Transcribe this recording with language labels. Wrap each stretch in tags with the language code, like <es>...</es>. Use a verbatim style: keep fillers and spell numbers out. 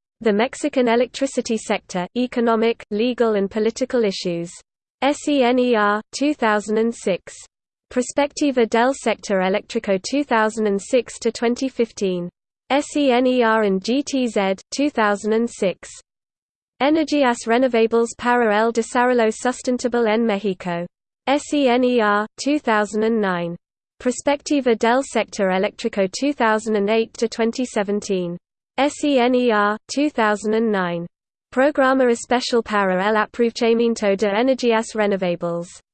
<en>The Mexican Electricity Sector, Economic, Legal and Political Issues. S E N E R, two thousand six. Prospectiva del Sector Eléctrico two thousand six to twenty fifteen. S E N E R and G T Z, two thousand six.</en> <es>Energías Renovables para el Desarrollo Sustentable en México.</es> <en>S E N E R, two thousand nine. Prospectiva del Sector Eléctrico two thousand eight to twenty seventeen. S E N E R, two thousand nine.</en> <es>Programa Especial para el Aprovechamiento de Energías Renovables.</es>